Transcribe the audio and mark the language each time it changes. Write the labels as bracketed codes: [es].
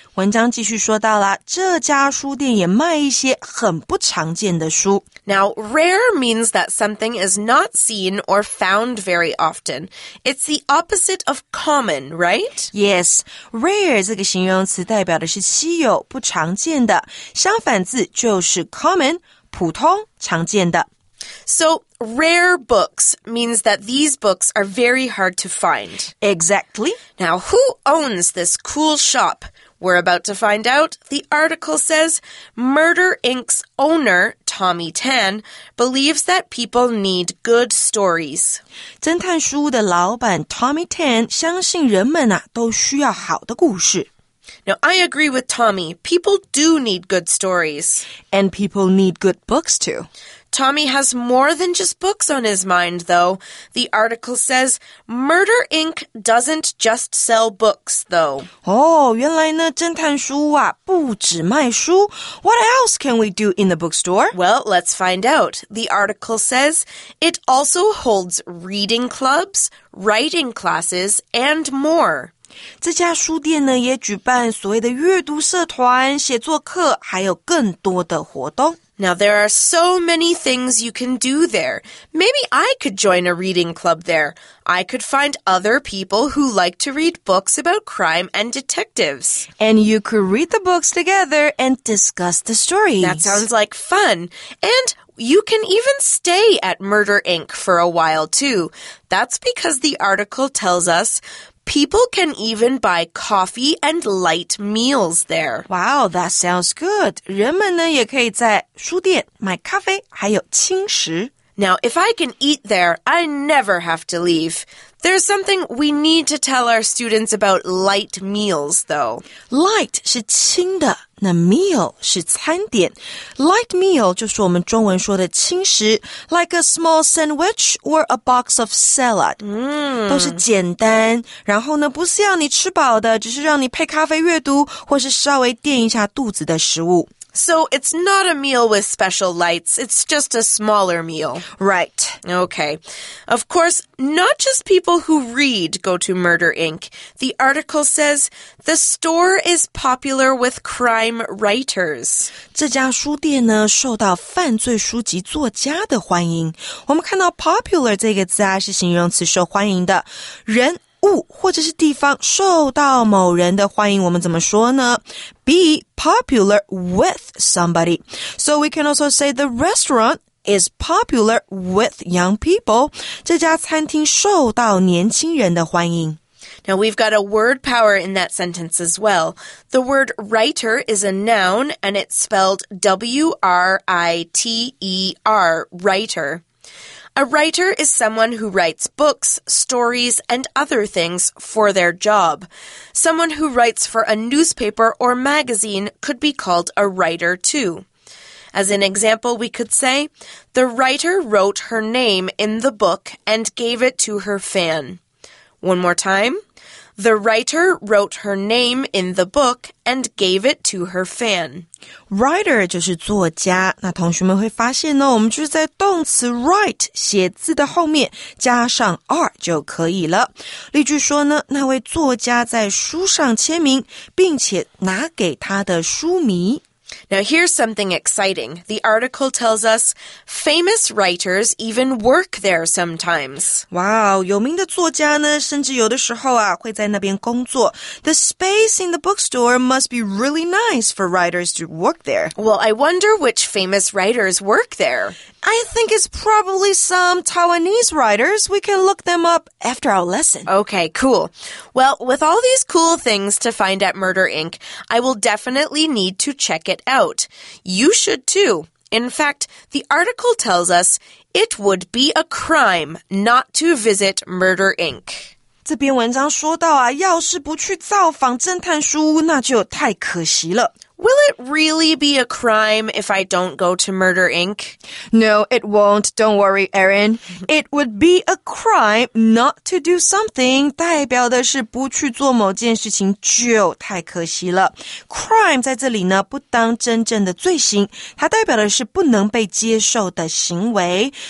[zh] 文章继续说到了，这家书店也卖一些很不常见的书。 [en] Now, rare means that something is not seen or found very often. It's the opposite of common, right? [zh] Yes, rare 这个形容词代表的是稀有、不常见的，相反字就是 common, 普通、常见的。 [en] So, rare books means that these books are very hard to find. Exactly. Now, who owns this cool shop? We're about to find out. The article says, Murder Inc.'s owner, Tommy Tan, believes that people need good stories. [zh] 侦探书的老板 Tommy Tan 相信人们啊都需要好的故事。 [en] Now, I agree with Tommy. People do need good stories. And people need good books, too. Tommy has more than just books on his mind, though. The article says, Murder Inc. doesn't just sell books, though. [zh] Oh, 原来呢，侦探书啊，不只卖书。 [en] What else can we do in the bookstore? Well, let's find out. The article says, it also holds reading clubs, writing classes, and more. [zh] 这家书店呢也举办所谓的阅读社团、写作课，还有更多的活动。 [en] Now there are so many things you can do there. Maybe I could join a reading club there. I could find other people who like to read books about crime and detectives. And you could read the books together and discuss the stories. That sounds like fun. And you can even stay at Murder, Inc. for a while, too. That's because the article tells us people can even buy coffee and light meals there. Wow, that sounds good. [zh] 人们呢也可以在书店买咖啡还有轻食。 [en] Now, if I can eat there, I never have to leave. There's something we need to tell our students about light meals, though. [zh] Light 是轻的，那 meal 是餐点。 Light meal 就是我们中文说的轻食 , [en] like a small sandwich or a box of salad.、 [zh] 都是简单，然后呢，不是要你吃饱的，只是让你配咖啡阅读，或是稍微垫一下肚子的食物。 [en] So it's not a meal with special lights, it's just a smaller meal. Right. Okay. Of course, not just people who read go to Murder, Inc. The article says, the store is popular with crime writers. [zh] 这家书店呢受到犯罪书籍作家的欢迎。我们看到 popular 这个字啊是形容词受欢迎的。人物或者是地方受到某人的欢迎我们怎么说呢 [en] Be popular with somebody. So we can also say the restaurant is popular with young people. [zh] 这家餐厅受到年轻人的欢迎。 [en] Now we've got a word power in that sentence as well. The word writer is a noun and it's spelled W-R-I-T-E-R, writer. A writer is someone who writes books, stories, and other things for their job. Someone who writes for a newspaper or magazine could be called a writer too. As an example, we could say, the writer wrote her name in the book and gave it to her fan. One more time. The writer wrote her name in the book and gave it to her fan. [zh] Writer 就是作家，那同学们会发现呢，我们就是在动词 write 写字的后面加上 r 就可以了。例句说呢，那位作家在书上签名，并且拿给他的书迷。 [en] Now here's something exciting. The article tells us famous writers even work there sometimes. [zh] Wow, 有名的作家呢，甚至有的时候啊，会在那边工作。 [en] The space in the bookstore must be really nice for writers to work there. Well, I wonder which famous writers work there. I think it's probably some Taiwanese writers. We can look them up after our lesson. Okay, cool. Well, with all these cool things to find at Murder, Inc., I will definitely need to check it out. You should too. In fact, the article tells us it would be a crime not to visit Murder, Inc. [zh] 这篇文章说到啊，要是不去造访侦探书屋，那就太可惜了。 [en] Will it really be a crime if I don't go to Murder, Inc.? No, it won't. Don't worry, Erin. It would be a crime not to do something. [zh] 代表的是不去做某件事情就太可惜了。 Crime 在这里呢不当真正的罪行。它代表的是不能被接受的行为。